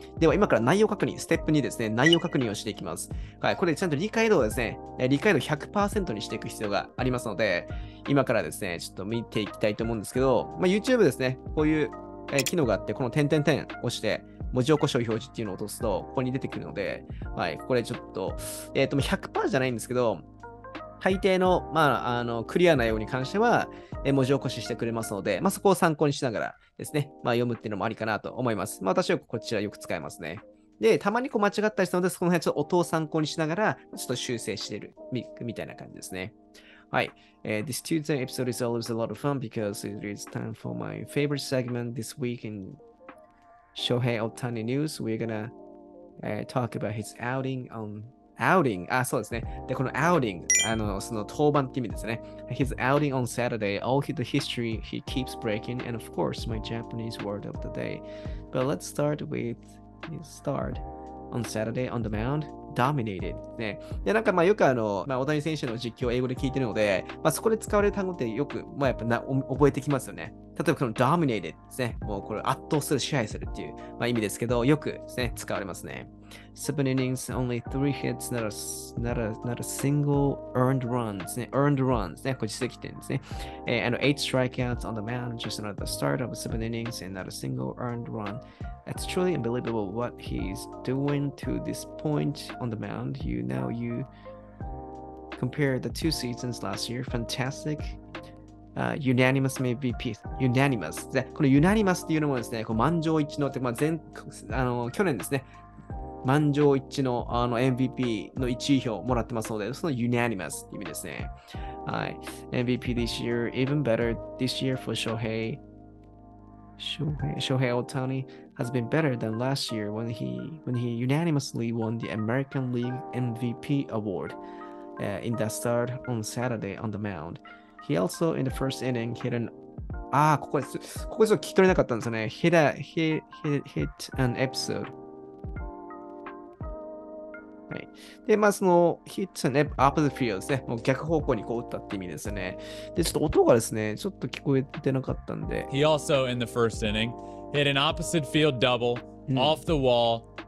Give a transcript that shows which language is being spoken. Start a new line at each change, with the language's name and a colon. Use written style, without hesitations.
Japanese: では、今から内容確認、ステップ2ですね、内容確認をしていきます。はい、これでちゃんと理解度をですね、理解度 100% にしていく必要がありますので、今からですね、ちょっと見ていきたいと思うんですけど、YouTube ですね、こういう機能があって、この点々点を押して、文字起こしを表示っていうのを落とすと、ここに出てくるので、はい、これちょっと、100% じゃないんですけど、大抵 の、クリアな内容に関しては、文字起こししてくれますので、そこを参考にしながらですね、読むっていうのもありかなと思います。私はこちらよく使いますね。で、たまに間違ったりしたので、その辺ちょっと音を参考にしながら、ちょっと修正してる、みたいな感じですね。はい。
English: This Tuesday episode is always a lot of fun because it is time for my favorite segment this week in Shohei Ohtani News. We're gonna、talk about his outing on... Outing.
Japanese: あ、そうですね。で、この outing、その登板って意味ですね。
English: His outing on Saturday, all the history he keeps breaking, and of course, my Japanese word of the day. But let's start with his start on Saturday on the mound, dominated. ね。
Japanese: で、なんかよく大谷選手の実況を英語で聞いてるので、そこで使われる単語ってよく、やっぱな覚えてきますよね。例えばこの dominated ですね。もうこれ圧倒する、支配するっていう、意味ですけど、よくですね、使われますね。
English: 7 innings, only 3 hits, not a single earned runs. Earned runs,
Japanese: ね、これ実績点ですね。
English: And 8 strikeouts on the mound, just at the start of 7 innings, and not a single earned run. It's truly unbelievable what he's doing to this point on the mound. You compare the two seasons last year, fantastic. Unanimous MVP. Unanimous.
Japanese: この unanimous というのもですね、満場一致のって、去年ですね、満場一致の、MVP の1位票をもらってますので、その unanimous という意味ですね。はい。
English: MVP this year, even better this year for Shohei. Shohei Ohtani has been better than last year when he unanimously won the American League MVP award、in that start on Saturday on the mound. He also, in the first inning, hit an...
Japanese: ああ、ここです。ここです。聞き取れなかったんですよね。
English: Hit an episode.
Japanese: で、まあ、そのヒットね、アップルフィールドですね、もう逆方向にこう打ったって意味ですね。で、ちょっと音がですね、ちょっと聞こえてなかったんで。
English: He also, in the first inning, hit an opposite field double off the wall.